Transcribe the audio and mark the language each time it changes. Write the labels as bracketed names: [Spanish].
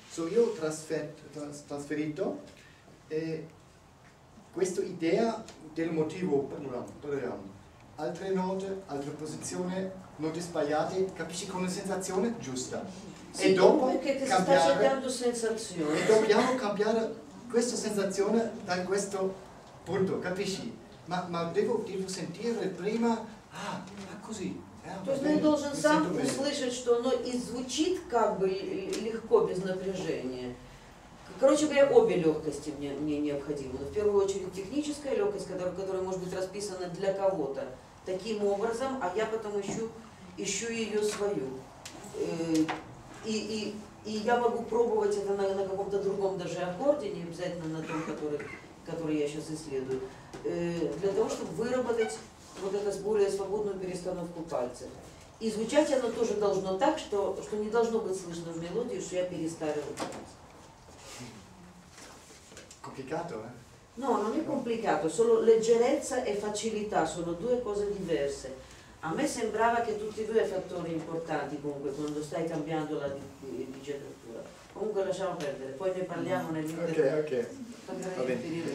[Italian] So io ho trasferito questa idea del motivo, parliamo, altre note, altre posizioni, note sbagliate, capisci, con una sensazione giusta. Sì, e dopo cambiare, sta cercando sensazioni. E dobbiamo cambiare questa sensazione da questo punto, capisci? Ma devo sentire prima, così. [Russian] То есть он должен сам услышать, что оно и звучит как бы легко, без напряжения. Короче говоря, обе легкости мне необходимы. Но в первую очередь техническая легкость, которая может быть расписана для кого-то таким образом, а я потом ищу ее свою. И я могу пробовать это на каком-то другом даже аккорде, не обязательно на том, который я сейчас исследую, для того, чтобы выработать вот это с более свободную перестановку пальцев. И звучать оно тоже должно так, что не должно быть слышно в мелодии, что я переставила пальцы. [Italian] Complicato, eh? No, non è complicato, solo leggerezza e facilità sono due cose diverse. A me sembrava che tutti e due fattori importanti comunque quando stai cambiando la digitatura. Comunque lasciamo perdere, poi ne parliamo nell'intervento. Ok, ok. Va bene.